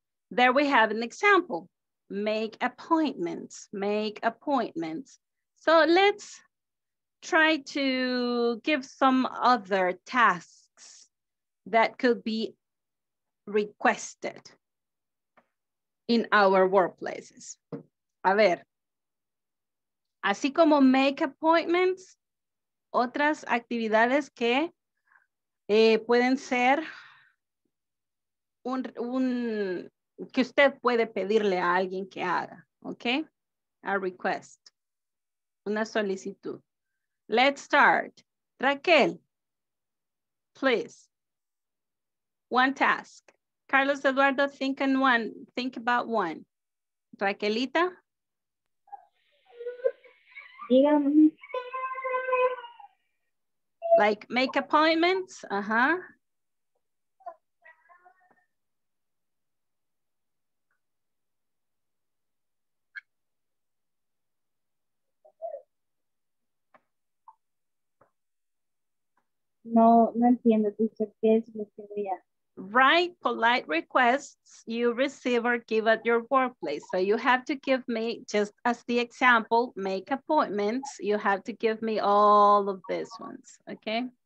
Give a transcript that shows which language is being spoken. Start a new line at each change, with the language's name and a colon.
English: There we have an example, make appointments, So let's try to give some other tasks that could be requested in our workplaces.
Spanish: A ver, así como make appointments, otras actividades que pueden ser un que usted puede pedirle a alguien que haga, okay?
English: A request,
Spanish: una solicitud.
English: Let's start. Raquel, please. One task. Carlos Eduardo, think on one. Think about one. Raquelita. Like make appointments. Uh-huh.
Spanish: No entiendo, teacher, ¿qué es lo que voy a hacer?
English: Write polite requests you receive or give at your workplace. So you have to give me, just as the example, make appointments. You have to give me all of these ones, okay?